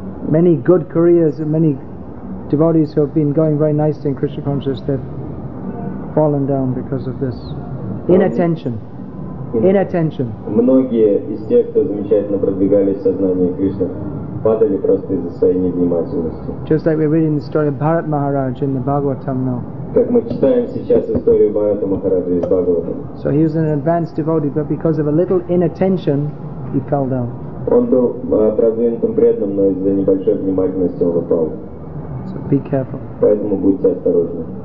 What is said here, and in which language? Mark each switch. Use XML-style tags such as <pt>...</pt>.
<en>Many good careers, many devotees who have been going very nicely in Krishna consciousness, they've fallen down because of this. Inattention.</en> <ru>Многие из тех, кто замечательно продвигались в сознании Кришны, падали просто из-за своей невнимательности.</ru> <en>Just like we're reading the story of Bharat Maharaj in the Bhagavatam now.</en> <ru>Как мы читаем сейчас историю Бхарата Махараджа из Бхагаватам.</ru> <en>So he was an advanced devotee, but because of a little inattention, he fell down.</en> <ru>Он был продвинутым преданным, но из-за небольшой внимательности он упал.</ru> <en>So be careful.</en> <ru>Поэтому будьте осторожны.</ru>